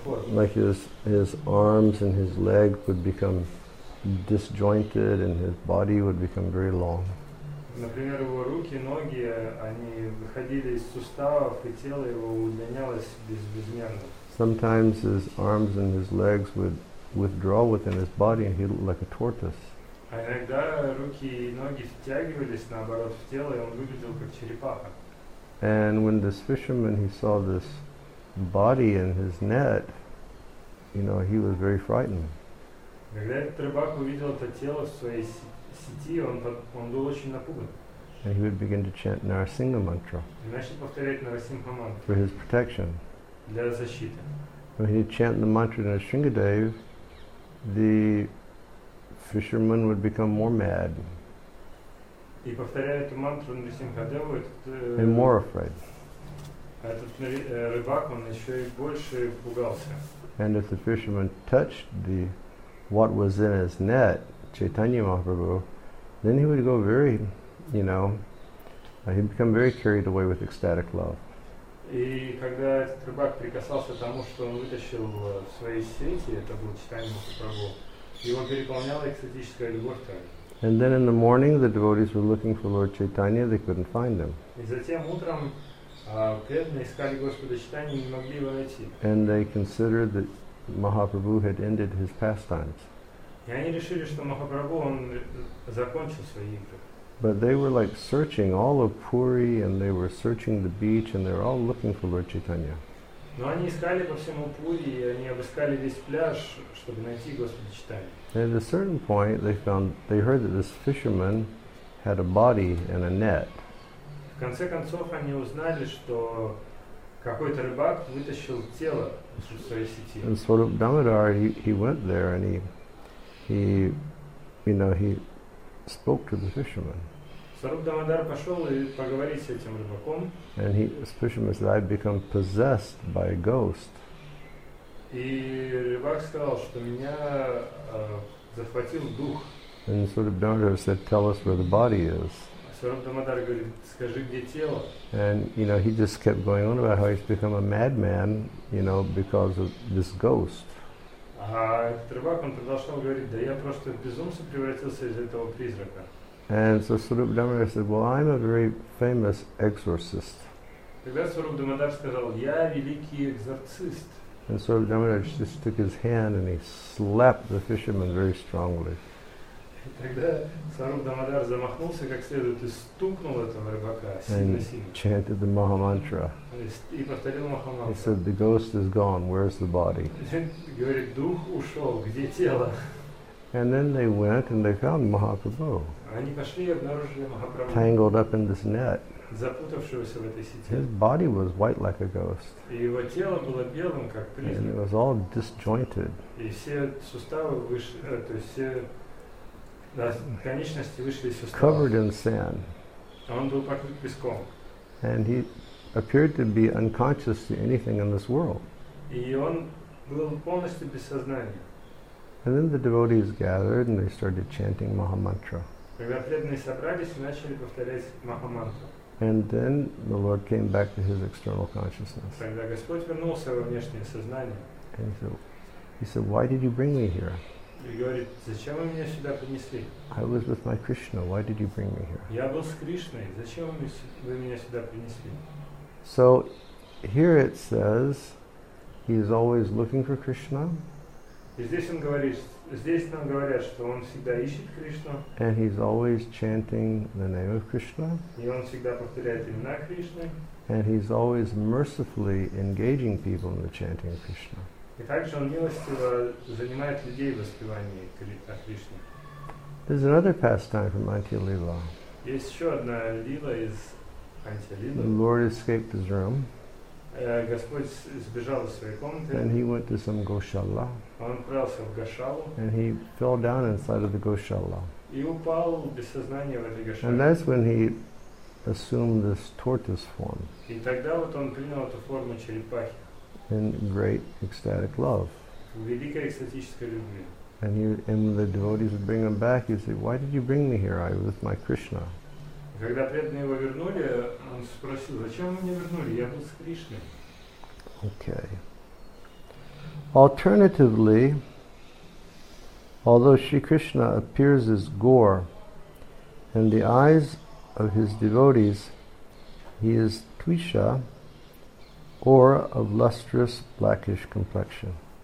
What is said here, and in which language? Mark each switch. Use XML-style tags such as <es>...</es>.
<en>like his arms and his leg would become disjointed and his body would become very long.</en> <ru>Например, его руки, ноги, они выходили из суставов, и тело его удлинялось безмерно.</ru> <en>Sometimes his arms and his legs would withdraw within his body and he looked like a tortoise.</en> <ru>А иногда руки и ноги втягивались наоборот в тело, и он выглядел как черепаха.</ru> <en>And when this fisherman, he saw this body in his net, you know, he was very frightened.</en> <ru>Когда этот рыбак увидел это тело в своей сети, он был очень напуган.</ru> <en>And he would begin to chant Narasimha mantra.</en> <ru>И начал повторять Нарасимха мантру.</ru> <en>For his protection.</en> <ru>Для защиты.</ru> <en>When he'd chant the mantra in Narasimhadev, the fisherman would become more mad.</en> <ru>И повторяя эту мантру на Нарасимхадеву,</ru> <en>and more afraid.</en> <ru>Этот рыбак, он еще и больше пугался.</ru> <en>And if the fisherman touched what was in his net, Chaitanya Mahaprabhu, then he would go very, he'd become very carried away with ecstatic love.</en> <ru>И когда этот рыбак прикасался к тому, что он вытащил в своей сети, это был Чайтанья Махапрабху, его переполняла экстатическая любовь к нему.</ru> <en>And then in the morning, the devotees were looking for Lord Chaitanya, they couldn't find him.</en> <ru>И затем утром преданные искали Господа Чайтанью, не могли его найти.</ru> <en>And they considered that Mahaprabhu had ended his pastimes.</en> <ru>И они решили, что Махапрабху, он закончил свои игры.</ru> <en>But they were like searching all of Puri, and they were searching the beach, and they were all looking for Lord Chaitanya.</en> <ru>Но они искали по всему Пури, и они обыскали весь пляж, чтобы найти Господа Чайтанью.</ru> <en>And at a certain point, they heard that this fisherman had a body and a net.</en> <ru>В конце концов они узнали, что какой-то рыбак вытащил тело из своей сети.</ru> <en>And sort of Damodar, he went there and he spoke to the fisherman.</en> <ru>Сваруп Дамодар пошел и поговорил с этим рыбаком.</ru> <en>And he, the fisherman said, I've become possessed by a ghost.</en> <ru>И рыбак сказал, что меня захватил дух.</ru> <en>And sort of Damodar said, tell us where the body is.</en> <ru>Сваруп Дамодар говорит, скажи, где тело.</ru> <en>And, he just kept going on about how he's become a madman, because of this ghost.</en> <ru>А этот рыбак, он продолжал говорить, да я просто в безумце превратился из-за этого призрака.</ru> <en>And so Swarup Damodar said, well, I'm a very famous exorcist.</en> <ru>Тогда Сваруп Дамодар сказал, я великий экзорцист.</ru> <en>And Swarup Damodar just took his hand and he slapped the fisherman very strongly.</en> <ru>Тогда Сваруп Дамодар замахнулся как следует и стукнул этого рыбака сильно.</ru> <en>And chanted the Maha Mantra.</en> <ru>И повторил Маха Мантру.</ru> <en>He said, the ghost is gone, where's the body?</en> <ru>Говорит, дух ушел, где тело?</ru> <en>And then they went and they found Mahaprabhu.</en> <ru>Они пошли и обнаружили Махапрабху.</ru> <en>Tangled up in this net.</en> <ru>Запутавшегося в этой сети.</ru> <en>His body was white like a ghost.</en> <ru>И его тело было белым, как призрак.</ru> <en>And it was all disjointed.</en> <ru>И все суставы вышли, то есть все конечности вышли из сустава.</ru> <en>Covered in sand.</en> <ru>Он был покрыт песком.</ru> <en>And he appeared to be unconscious to anything in this world.</en> <ru>И он был полностью без сознания.</ru> <en>And then the devotees gathered and they started chanting Maha Mantra.</en> <ru>Когда преданные собрались и начали повторять Маха Мантру.</ru> <en>And then the Lord came back to his external consciousness.</en> <ru>Тогда Господь вернулся во внешнее сознание.</ru> <en>And he said, why did you bring me here?</en> <ru>И говорит, зачем вы меня сюда принесли?</ru> <en>I was with my Krishna, why did you bring me here?</en> <ru>Я был с Кришной, зачем вы меня сюда принесли?</ru> <en>So here it says he is always looking for Krishna.</en> <ru>И здесь он говорит, здесь нам говорят, что он всегда ищет Кришну.</ru> <en>And he's always chanting the name of Krishna.</en> <ru>И он всегда повторяет имена Кришны.</ru> <en>And he's always mercifully engaging people in the chanting of Krishna.</en> <ru>И также он милостиво занимает людей в воспевании Кришны.</ru> <en>There's another pastime from Antya Lila.</en> <ru>Есть еще одна лила из Антя Лилы.</ru> <en>The Lord escaped his room.</en> <ru>Господь сбежал из своей комнаты.</ru> <en>And he went to some Goshala.</en> <ru>Он отправился в Гошалу.</ru> <en>And he fell down inside of the Goshala.</en> <ru>И упал без сознания в этой Гошале.</ru> <en>And that's when he assumed this tortoise form.</en> <ru>И тогда вот он принял эту форму черепахи.</ru> <en>In great ecstatic love.</en> <ru>В великой экстатической любви.</ru> <en>And the devotees would bring him back, he'd say, why did you bring me here? I was with my Krishna.</en> <ru>Когда преданные его вернули, он спросил, зачем вы меня вернули? Я был с Кришной.</ru> <en>Okay. Alternatively, although Sri Krishna appears as Gaur, in the eyes of his devotees, he is Tvisha, or of lustrous blackish complexion.</en>